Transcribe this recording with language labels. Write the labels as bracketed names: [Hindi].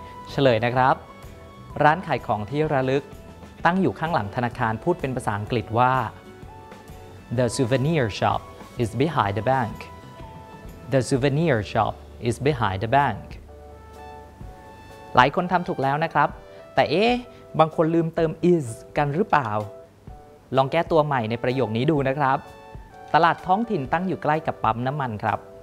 [Thai] เฉลยนะครับร้านขายของที่ระลึกตั้งอยู่ข้างหลังธนาคารพูดเป็นภาษาอังกฤษว่า [English] The souvenir shop is behind the bank. The souvenir shop is behind the bank. [Thai] หลายคนทำถูกแล้วนะครับแต่บางคนลืมเติม is กันหรือเปล่าลองแก้ตัวใหม่ในประโยคนี้ดูนะครับตลาดท้องถิ่นตั้งอยู่ใกล้กับปั๊มน้ำมันครับ